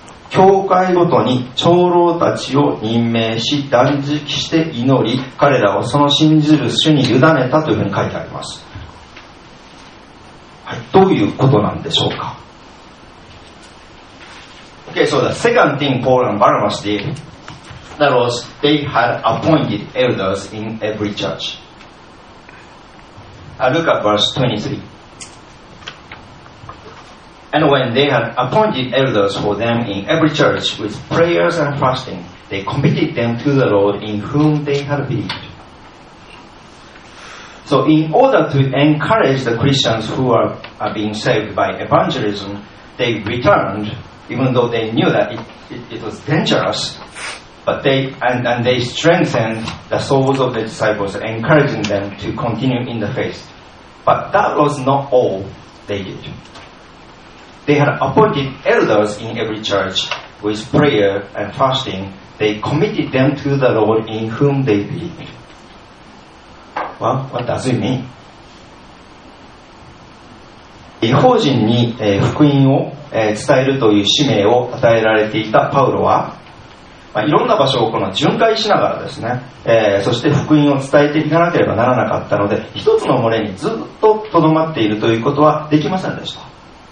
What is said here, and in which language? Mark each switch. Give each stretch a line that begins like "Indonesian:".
Japanese: 教会ごとに長老たちを任命し、断食して祈り、彼らをその信じる主に委ねたというふうに書いてあります。はい、どういうことなんでしょうか。
English: Okay, so the second thing Paul and Barnabas did, that was they had appointed elders in every church. Look at verse 23. And when they had appointed elders for them in every church with prayers and fasting, they committed them to the Lord in whom they had believed. So in order to encourage the Christians who are being saved by evangelism, they returned, even though they knew that it was dangerous, but they strengthened the souls of the disciples, encouraging them to continue in the faith. But that was not all they did. They had appointed elders in every church with prayer and fasting. They committed them to the Lord in whom they believed. Well, what does it mean?
Japanese: 異邦人に福音を伝えるという使命を与えられていたパウロは、いろんな場所をこの巡回しながらですね、そして福音を伝えていかなければならなかったので、一つの群れにずっと留まっているということはできませんでした。